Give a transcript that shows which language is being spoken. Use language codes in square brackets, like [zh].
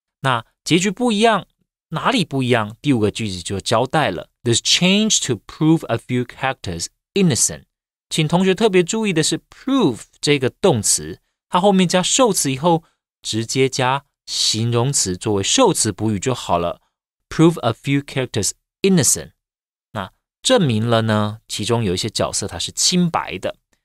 [zh] 那结局不一样，哪里不一样？第五个句子就交代了。 [en] This change to prove a few characters innocent. [zh] 请同学特别注意的是 prove 这个动词，它后面加受词以后，直接加形容词作为受词补语就好了。 [en] Prove a few characters innocent. [zh] 那证明了呢，其中有一些角色它是清白的。